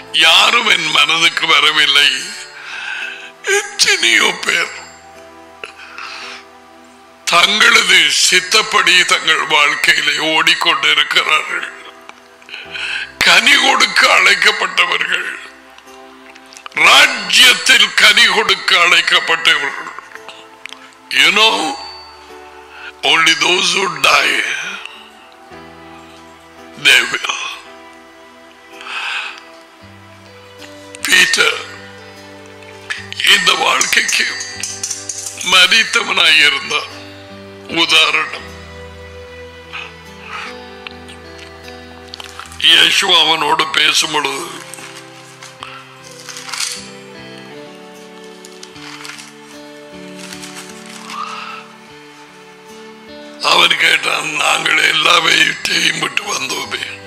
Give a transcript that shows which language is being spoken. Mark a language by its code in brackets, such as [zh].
[ta] யாரும் என் மனதுக்கு வரவில்லை. எத்தனையோ பேர் தங்களது சித்தப்படி தங்கள் வாழ்க்கையில ஓடிக்கொண்டு இருக்கிறார்கள். கனி கொடுக்க அழைக்கப்பட்டவர்கள், ராஜ்யத்தில் கனி கொடுக்க அழைக்கப்பட்டவர்கள். [en] You know, only those who die, they will. [ta] Peter இந்த வாழ்க்கைக்கு மரித்தவனாய் இருந்தார். உதாரணம், இயேசு அவனோடு பேசும்பொழுது அவன் கேட்டான், நாங்கள் எல்லாவற்றையும் விட்டு வந்தோமே,